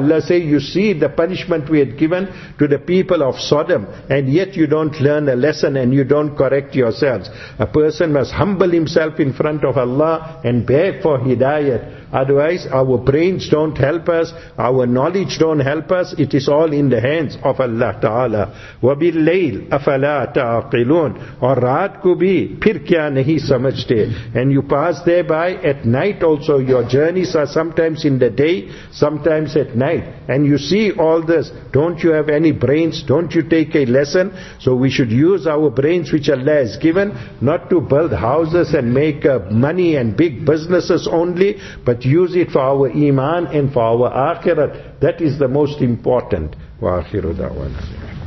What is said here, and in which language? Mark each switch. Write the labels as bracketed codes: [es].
[en] Allah say, you see the punishment we had given to the people of Sodom, and yet you don't learn a lesson and you don't correct yourselves. A person must humble himself in front of Allah and beg for hidayat. Otherwise, our brains don't help us, our knowledge don't help us. It is all in the hands of Allah Ta'ala. [ar] وَبِاللَّيْلِ أَفَلَا تَعْقِلُونَ [ur] اور رات کو بھی پھر کیا نہیں سمجھتے. [en] And you pass thereby at night also. Your journeys are sometimes in the day, sometimes at night. And you see all this. Don't you have any brains? Don't you take a lesson? So we should use our brains which Allah has given, not to build houses and make money and big businesses only, but use it for our iman and for our akhirat. That is the most important. [ar] Wa akhiru da'wana.